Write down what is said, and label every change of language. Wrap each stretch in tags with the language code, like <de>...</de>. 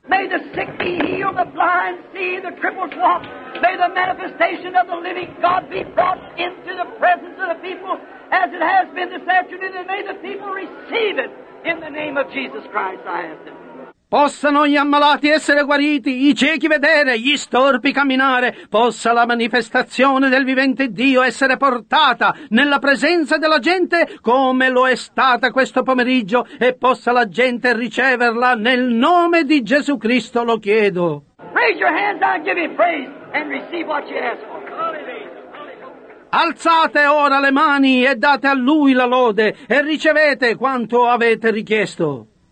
<en>May the sick be healed, the blind see, the crippled walk. May the manifestation of the living God be brought into the presence of the people as it has been this afternoon, and may the people receive it in the name of Jesus Christ, I ask them.</en> <it>Possano gli ammalati essere guariti, i ciechi vedere, gli storpi camminare, possa la manifestazione del vivente Dio essere portata nella presenza della gente come lo è stata questo pomeriggio e possa la gente riceverla nel nome di Gesù Cristo, lo chiedo.</it> <en>Raise your hands and give him praise and receive what you ask for.</en> <it>Alzate ora le mani e date a lui la lode e ricevete quanto avete richiesto.</it>